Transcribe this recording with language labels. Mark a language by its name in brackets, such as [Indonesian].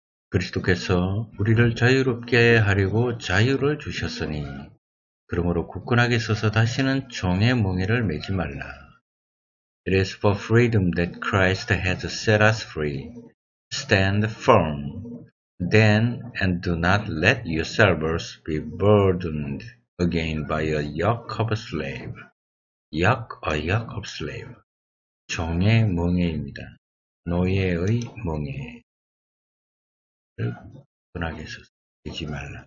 [Korean] 그리스도께서 우리를 자유롭게 하려고 자유를 주셨으니 그러므로 굳건하게 서서 다시는 종의 멍에를 메지 말라. [English] It is for freedom that Christ has set us free. Stand firm, then, and do not let yourselves be burdened again by a yoke of a slave. Yoke, a yoke of slave. [Korean] 종의 멍에입니다. 노예의 멍에를 끈하게 서 매지 말라.